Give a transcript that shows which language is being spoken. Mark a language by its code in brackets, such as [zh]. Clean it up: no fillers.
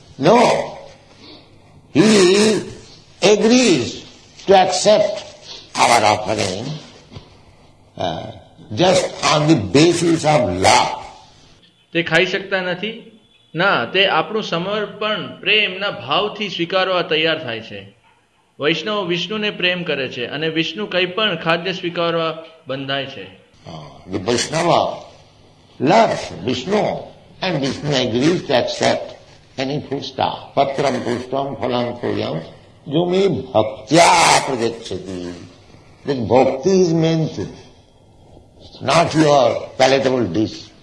[en] No, he agrees to accept our offering just on the basis of love. [gu] તે ખાઈ શકતા નથી? ના, તે આપણું સમર્પણ પ્રેમના ભાવથી સ્વીકારવા તૈયાર થાય છે. વૈષ્ણવ વિષ્ણુને પ્રેમ કરે છે અને વિષ્ણુ કંઈ પણ ખાદ્ય સ્વીકારવા બંધાય છે. [en] The Vaishnava loves Vishnu and Vishnu agrees to accept any pushta, [sa] patram pushtam phalam puryam yumi bhaktya prajacchati. [en] Then bhakti is meant, not your palatable dish.